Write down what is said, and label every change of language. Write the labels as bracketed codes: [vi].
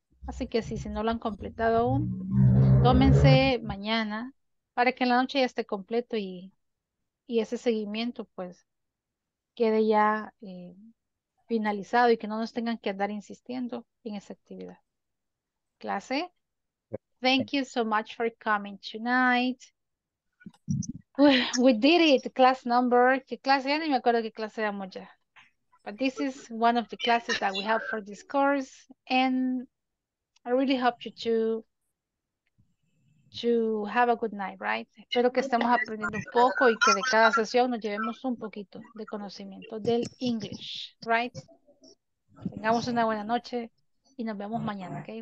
[es] Así que si no lo han completado aún, tómense mañana para que en la noche ya esté completo y ese seguimiento pues quede ya finalizado y que no nos tengan que andar insistiendo en esa actividad. ¿Clase? [en] Thank you so much for coming tonight. We did it, class number. [es] ¿Qué clase? Ya ni me acuerdo qué clase damos ya. [en] But this is one of the classes that we have for this course, and I really hope you to have a good night, right? [es] Espero que estemos aprendiendo un poco y que de cada sesión nos llevemos un poquito de conocimiento del English, right? Tengamos una buena noche y nos vemos mañana, okay?